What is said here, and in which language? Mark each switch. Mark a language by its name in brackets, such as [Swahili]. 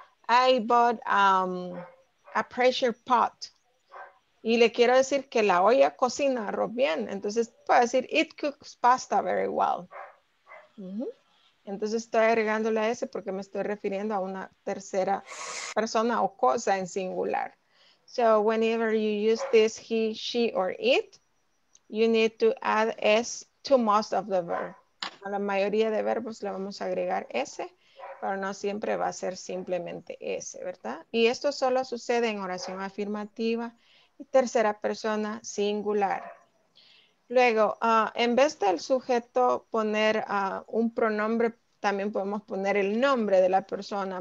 [English] I bought a pressure pot. [Spanish] Y le quiero decir que la olla cocina arroz bien. Entonces puedo decir, [English] it cooks pasta very well. [Spanish] Entonces estoy agregándole a ese porque me estoy refiriendo a una tercera persona o cosa en singular. [English] So whenever you use this he, she, or it, you need to add s to most of the verb. [Spanish] A la mayoría de verbos le vamos a agregar s, pero no siempre va a ser simplemente s, ¿verdad? Y esto solo sucede en oración afirmativa y tercera persona singular. Luego, en vez del sujeto poner un pronombre, también podemos poner el nombre de la persona.